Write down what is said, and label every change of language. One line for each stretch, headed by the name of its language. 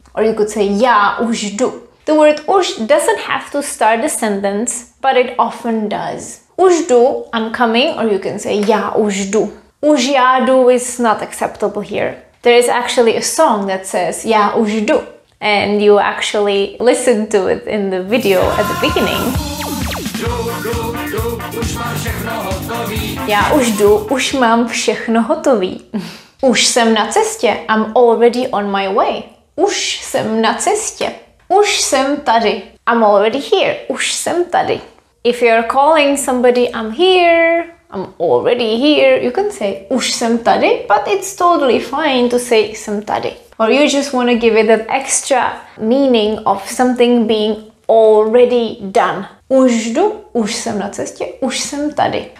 English: Or you could say,
Czech: "Já už jdu."
English: The word "už" doesn't have to start the sentence, but it often does.
Czech: "Už jdu.
English: I'm coming." Or you can say,
Czech: "Já už jdu." "Už já jdu"
English: is not acceptable here. There is actually a song that says
Czech: "Já už jdu"
English: and you actually listen to it in the video at the beginning.
Czech: "Já už jdu, už mám všechno hotový." "Už jsem na cestě,
English: I'm already on my way."
Czech: "Už jsem na cestě." "Už jsem tady."
English: "I'm already here."
Czech: "Už jsem tady."
English: If you're calling somebody, "I'm here," I'm already here. You can say
Czech: už jsem tady,
English: but it's totally fine to say
Czech: jsem tady.
English: Or you just want to give it that extra meaning of something being already done.
Czech: Už jdu, už jsem na cestě, už jsem tady.